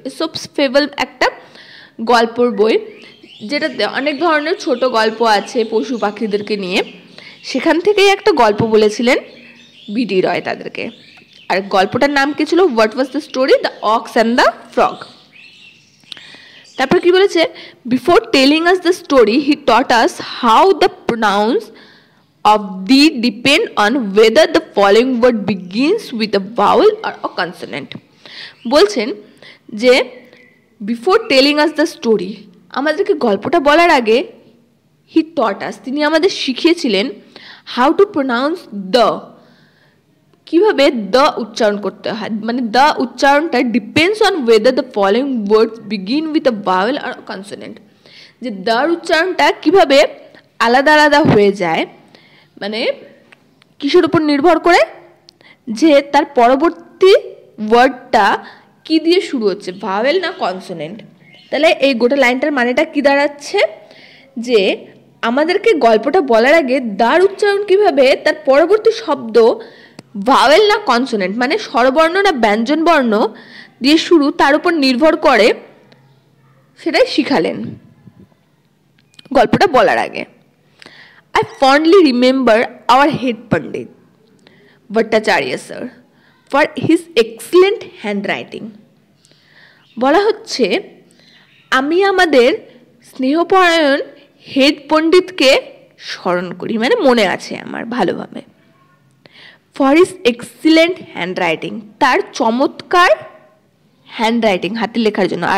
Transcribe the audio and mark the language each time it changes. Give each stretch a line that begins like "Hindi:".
Bangla: ইসপস fable একটা গল্পের বই, যেটাতে অনেক ধরনের ছোট গল্প আছে পশু পাখিদেরকে নিয়ে। সেখান থেকেই একটা গল্প বলেছিলেন বিডি রয় তাদেরকে, আর গল্পটার নাম কী ছিল,
English: what was the story,
Bangla: the ox and the frog. তারপর কী বলেছে,
English: Before telling us the story he taught us how the pronounce of the depend on whether the following word begins with a vowel or a consonant.
Bangla: বলছেন যে
English: before telling us the story,
Bangla: আমাদেরকে গল্পটা বলার আগে
English: he taught us,
Bangla: তিনি আমাদের শিখিয়েছিলেন
English: how to pronounce the,
Bangla: কীভাবে দ্য উচ্চারণ করতে হয়, মানে দ্য উচ্চারণটা
English: depends on whether the following words begin with a vowel or a consonant,
Bangla: যে দ্যার উচ্চারণটা কীভাবে আলাদা আলাদা হয়ে যায়, মানে কিসের উপর নির্ভর করে, যে তার পরবর্তী ওয়ার্ডটা কী দিয়ে শুরু হচ্ছে, ভাওয়েল না কনসোনেন্ট। তাহলে এই গোটা লাইনটার মানেটা কী দাঁড়াচ্ছে, যে আমাদেরকে গল্পটা বলার আগে দ্বার উচ্চারণ কীভাবে তার পরবর্তী শব্দ ভাওয়েল না কনসোনেন্ট, মানে স্বরবর্ণ না ব্যঞ্জন বর্ণ দিয়ে শুরু, তার উপর নির্ভর করে, সেটাই শিখালেন গল্পটা বলার আগে।
English: I fondly remember our head Pandit Bhattacharya sir for his excellent handwriting.
Bangla: বলা হচ্ছে আমি আমাদের স্নেহপরায়ণ হেড পণ্ডিতকে স্মরণ করি, মানে মনে আছে আমার ভালোভাবে,
English: for his excellent handwriting,
Bangla: তার চমৎকার হ্যান্ডরাইটিং, হাতে লেখার জন্য।